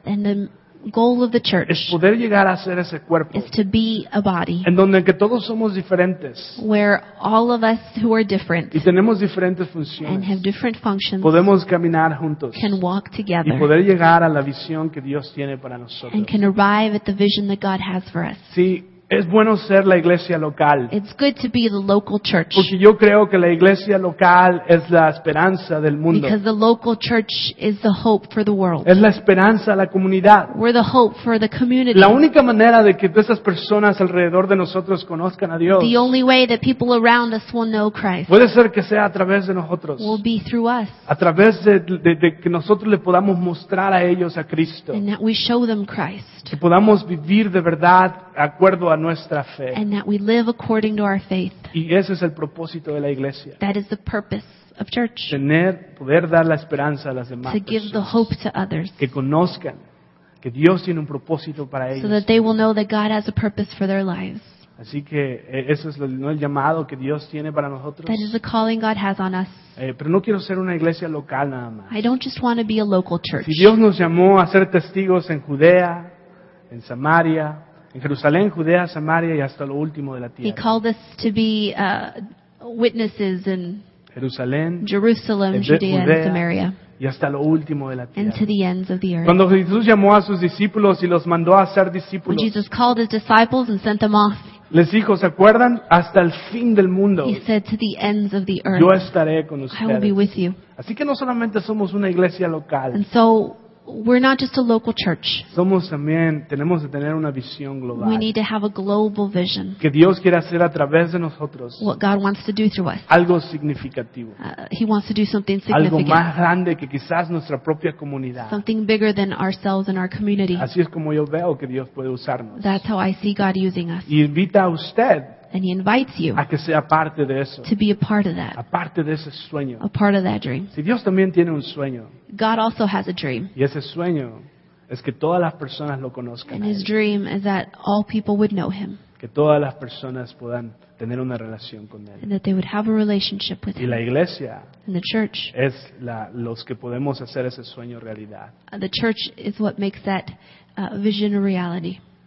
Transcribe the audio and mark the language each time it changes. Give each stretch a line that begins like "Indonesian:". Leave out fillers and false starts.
English: And the goal of the church
Spanish: es poder llegar a ser ese cuerpo,
English: is to be a body.
Spanish: En donde que todos somos diferentes,
English: where all of us who are different,
Spanish: y tenemos diferentes funciones,
English: and have different functions,
Spanish: podemos caminar juntos,
English: can walk together,
Spanish: y poder llegar a la visión que Dios tiene para nosotros,
English: and can arrive at the vision that God has for us.
Spanish: Sí. Es bueno ser la iglesia local.
English: It's good to be the local church.
Spanish: Porque yo creo que la iglesia local es la esperanza del mundo.
English: Because the local church is the hope for the world.
Spanish: Es la esperanza a la comunidad.
English: We're the hope for the community.
Spanish: La única manera de que esas personas alrededor de nosotros conozcan a Dios.
English: The only way that people around us will know Christ.
Spanish: Puede ser que sea a través de nosotros.
English: Will be through us.
Spanish: A través de que nosotros le podamos mostrar a ellos a Cristo.
English: And that we show them Christ.
Spanish: Que podamos vivir de verdad de acuerdo a nuestra fe.
English: And that we live according to our faith.
Spanish: Y ese es el propósito de la iglesia.
English: That is the purpose of church.
Spanish: Tener, poder dar la esperanza a las demás.
English: To give the hope to others.
Spanish: Que conozcan que Dios tiene un propósito para ellos.
English: So that they will know that God has a purpose for their lives.
Spanish: Así que ese es el llamado que Dios tiene para nosotros.
English: That is the calling God has on us.
Spanish: Pero no quiero ser una iglesia local nada más.
English: I don't just want to be a local church.
Spanish: Si Dios nos llamó a ser testigos en Judea, en Samaria, en Jerusalén, Judea, Samaria y hasta lo último de la tierra.
English: He called us to be witnesses in
Spanish: Jerusalén,
English: Jerusalem, Judea, and Samaria.
Spanish: Y hasta lo último de la tierra.
English: And to the ends of the earth.
Spanish: Cuando Jesús llamó a sus discípulos y los mandó a ser discípulos.
English: When Jesus called his disciples and sent them off.
Spanish: Les dijo, ¿se acuerdan? Hasta el fin del mundo.
English: He said, to the ends of the earth.
Spanish: Yo estaré con ustedes.
English: I will be with you.
Spanish: Así que no solamente somos una iglesia local.
English: And so, we're not just a local church.
Spanish: Somos también, tenemos que tener una visión global.
English: We need to have a global vision.
Spanish: Que Dios quiere hacer a través de nosotros.
English: What God wants to do through us.
Spanish: Algo significativo.
English: He wants to do something significant.
Spanish: Algo más grande que quizás nuestra propia comunidad.
English: Something bigger than ourselves and our community.
Spanish: Así es como yo veo que Dios puede usarnos.
English: That's how I see God using us.
Spanish: Y invita a usted.
English: And he invites you
Spanish: a que sea parte de eso,
English: to be a part of that.
Spanish: A parte de ese sueño.
English: A part of that dream.
Spanish: Si Dios también tiene un sueño,
English: God also has a dream.
Spanish: Y ese sueño es que todas las personas lo conozcan.
English: And his dream is that all people would know him.
Spanish: Que todas las personas puedan tener una relación con él.
English: And that they would have a relationship with him.
Spanish: Y la iglesia,
English: and the church,
Spanish: es los que podemos hacer ese sueño realidad.
English: The church is what makes that vision a reality.